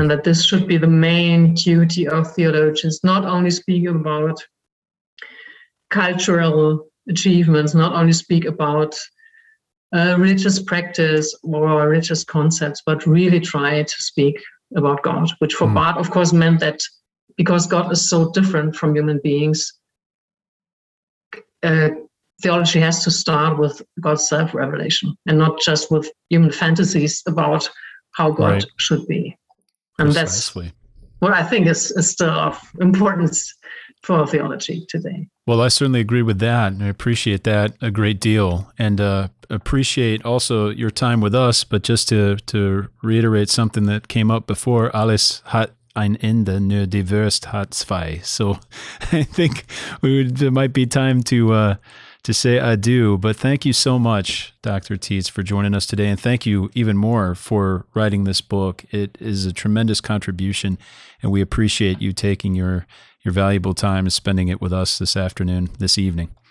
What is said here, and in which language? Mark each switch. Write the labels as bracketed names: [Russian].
[English] And that this should be the main duty of theologians, not only speak about cultural achievements, not only speak about religious practice or religious concepts, but really try to speak about God, which for Barth, of course, meant that because God is so different from human beings, theology has to start with God's self-revelation and not just with human fantasies about how God right. should be. And precisely. That's what I think is still of importance for theology today. Well, I certainly agree with that. And I appreciate that a great deal. And appreciate also your time with us. But just to reiterate something that came up before, [German] alles hat ein Ende, nur die Wurst hat zwei. [English] So I think it might be time to say adieu. But thank you so much, Dr. Tietz, for joining us today. And thank you even more for writing this book. It is a tremendous contribution, and we appreciate you taking your valuable time and spending it with us this afternoon, this evening.